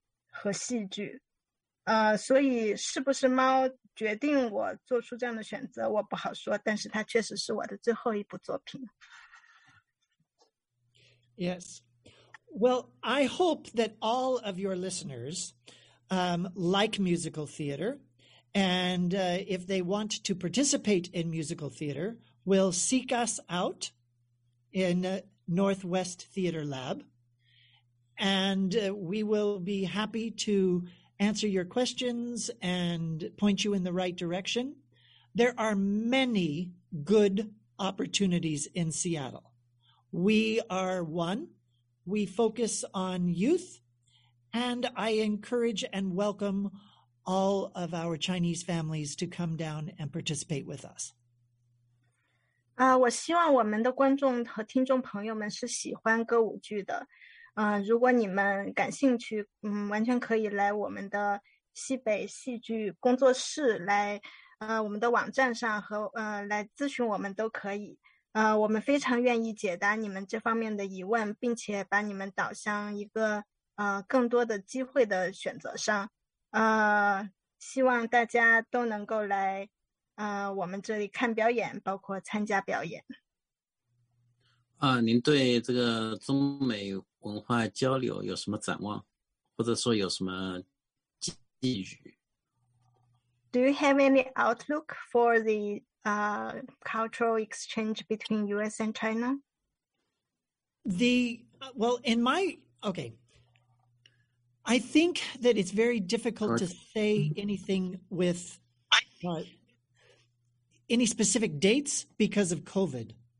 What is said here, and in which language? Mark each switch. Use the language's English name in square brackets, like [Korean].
[Chinese] 和戏剧，所以是不是猫决定我做出这样的选择，我不好说，但是它确实是我的最后一部作品。 [English] Yes. Well, I hope that all of your listeners like musical theater, and if they want to participate in musical theater, will seek us out in Northwest Theater Lab, and we will be happy to answer your questions and point you in the right direction. There are many good opportunities in Seattle. We are one. We focus on youth, and I encourage and welcome all of our Chinese families to come down and participate with us. [Chinese] 我希望我们的观众和听众朋友们是喜欢歌舞剧的。如果你们感兴趣，完全可以来我们的西北戏剧工作室来，我们的网站上和来咨询我们都可以。我们非常愿意解答你们这方面的疑问，并且把你们导向一个更多的机会的选择上。希望大家都能够来我们这里看表演，包括参加表演。您对这个中美文化交流有什么展望，或者说有什么寄语？ [English] Do you have any outlook for the cultural exchange between US and China? I think that it's very difficult to say anything with any specific dates because of COVID.